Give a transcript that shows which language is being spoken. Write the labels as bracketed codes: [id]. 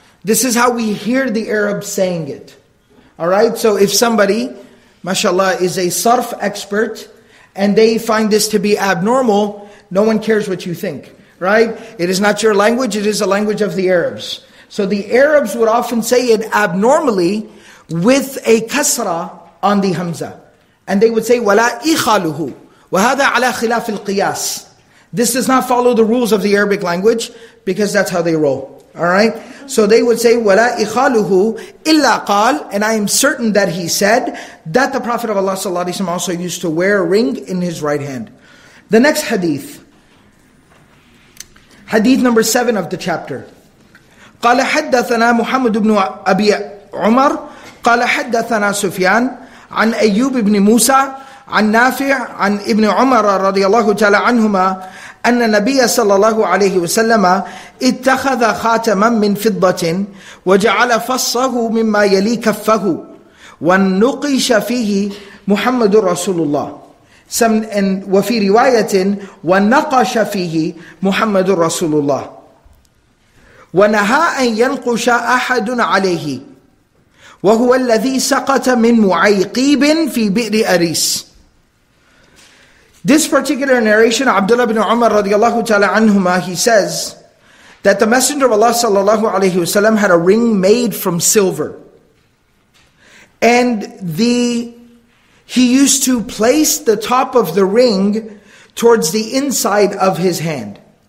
[en] This is how we hear the Arabs saying it. All right, so if somebody, mashallah, is a sarf expert, and they find this to be abnormal, no one cares what you think, right? It is not your language, it is a language of the Arabs. So the Arabs would often say it abnormally with a kasra on the hamza. And they would say, [ar] وَلَا إِخَالُهُ وَهَذَا عَلَى خِلَافِ الْقِيَاسِ. [en] This does not follow the rules of the Arabic language, because that's how they roll. All right, so they would say [ar] وَلَا إِخَالُهُ إِلَّا قَالْ, [en] and I am certain that he said that the Prophet of Allah sallallahu alaihi wasallam also used to wear a ring in his right hand. The next hadith, hadith number 7 of the chapter. [ar] قَالَ حَدَّثَنَا مُحَمَّدُ بْنُ أَبِي عُمَرَ قَالَ حَدَّثَنَا سُفْيَانَ عَنْ أَيُّوبِ بْنِ مُوسَى عَنْ نَافِعَ عَنْ إِبْنِ عُمَرَ رَضِيَ اللَّهُ تَعَالَى عَنْهُمَا أن النبي صلى الله عليه وسلم اتخذ خاتما من فضة وجعل فصه مما يلي كفه ونقش فيه محمد رسول الله وفي رواية ونقش فيه محمد رسول الله ونهى أن ينقش أحد عليه وهو الذي سقط من معيقيب في بئر أريس. [en] This particular narration, Abdullah ibn Umar radiallahu ta'ala anhuma, he says that the Messenger of Allah sallallahu alayhi wa sallam had a ring made from silver. And he used to place the top of the ring towards the inside of his hand.